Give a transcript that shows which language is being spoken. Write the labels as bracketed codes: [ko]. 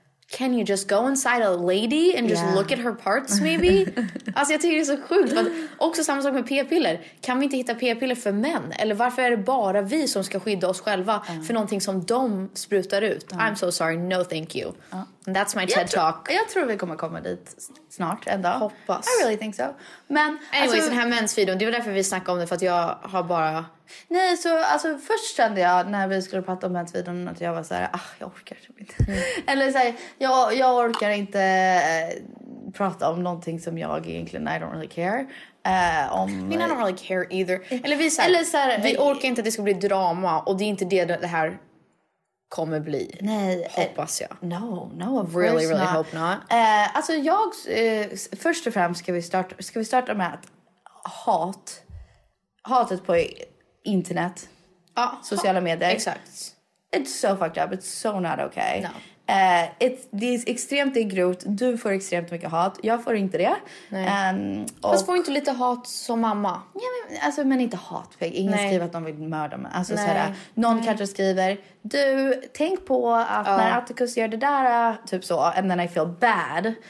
[en] Can you just go inside a lady and just look at her parts maybe? [sv] Alltså jag tycker det är så sjukt. För att, också samma sak med p-piller. Kan vi inte hitta p-piller för män? Eller varför är det bara vi som ska skydda oss själva för någonting som de sprutar ut? [en] I'm so sorry, no thank you. That's my TED talk. [sv] Jag tror vi kommer komma dit snart ändå. Hoppas. [en] I really think so. Men, [sv] anyways, alltså, den här mensfiden, det var därför vi snackade om det, för att jag har bara... Nej, så alltså, först kände jag när vi skulle prata om mensfiden att jag var så här, jag orkar typ inte. Eller så här, jag orkar inte prata om någonting som jag egentligen, [en] I don't really care. I don't really care either. [sv] Eller vi, så här, vi orkar inte att det ska bli drama, och det är inte det här... kommer bli. Nej, hoppas jag. [en] No, of course really, really not. Hope not. [sv] Alltså jag, först och främst ska vi starta med att hatet på internet, sociala medier. Exakt. [en] It's so fucked up, it's so not okay. No. [sv] Det är extremt grovt. Du får extremt mycket hat. Jag får inte det. Fast får inte lite hat som mamma. Ja, men inte hat. Ingen skriver att de vill mörda mig. Alltså, såhär, någon kanske skriver, du, tänk på att när Atticus gör det där, typ så, [en] and then I feel bad.